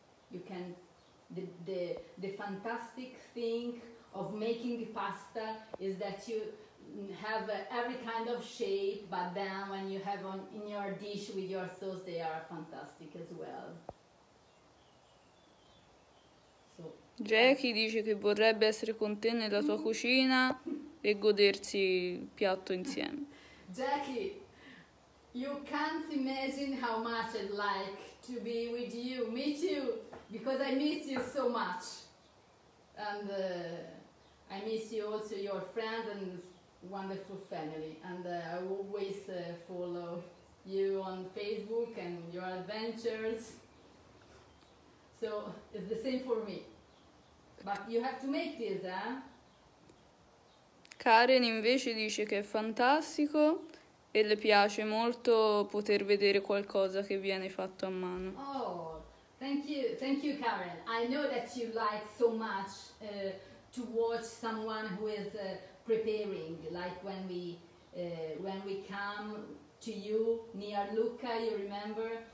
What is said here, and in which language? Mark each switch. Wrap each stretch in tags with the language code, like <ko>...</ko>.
<en>You can, the fantastic thing of making pasta is that you have every kind of shape, but then when you have on in your dish with your sauce, they are fantastic as well.</en> <it>So Jackie dice che vorrebbe essere con te nella tua cucina e godersi il piatto insieme.</it> <en>Jackie, you can't imagine how much I'd like to be with you, meet you, because I miss you so much. And I miss you also, your friends and wonderful family. And I always follow you on Facebook and your adventures. So it's the same for me. But you have to make this, eh?</en> <it>Karen invece dice che è fantastico e le piace molto poter vedere qualcosa che viene fatto a mano.</it> <en>Oh, Thank you, Karen. I know that you like so much to watch someone who is preparing, like when we come to you near Lucca, you remember?</en>